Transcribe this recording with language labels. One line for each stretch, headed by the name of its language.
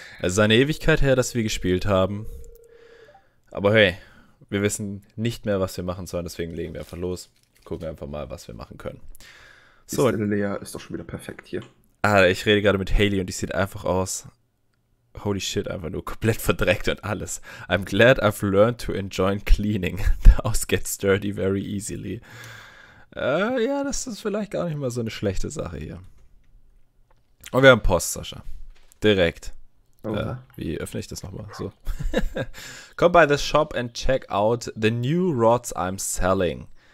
German: Es ist eine Ewigkeit her, dass wir gespielt haben. Aber hey, wir wissen nicht mehr, was wir machen sollen, deswegen legen wir einfach los. Gucken einfach mal, was wir machen können. So, die Stelle Lea ist doch schon wieder perfekt hier. Ah, ich rede gerade mit Haley und die sieht einfach aus,
English: holy shit,
German: einfach nur komplett verdreckt und alles.
English: I'm glad I've learned to enjoy cleaning. The house gets dirty very easily.
German: Ja, das ist vielleicht gar nicht mal so eine schlechte Sache hier. Und wir haben Post, Sascha. Direkt. Okay. Wie öffne ich das nochmal? So.
English: Come by the shop and check out the new rods I'm selling.